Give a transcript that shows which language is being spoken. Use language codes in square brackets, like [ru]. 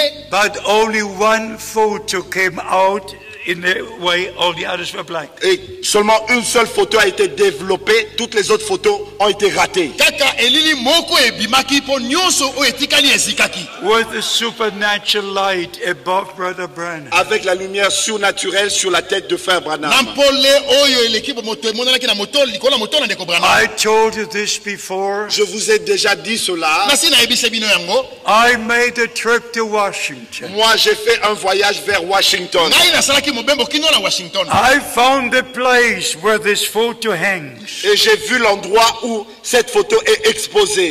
[en] But only one photo came out in the way all the others were black. [fr] Et seulement une seule photo a été développée, toutes les autres photos ont été ratées. [en] With the supernatural light above Brother Branham. [fr] Avec la lumière surnaturelle sur la tête de Frère Branham. [en] I told you this before. [fr] Je vous ai déjà dit cela. [en] I made a trip to Washington. [fr] Moi, j'ai fait un voyage vers Washington. [en] I found the place where this photo hangs. [fr] Et j'ai vu l'endroit où cette photo est exposée.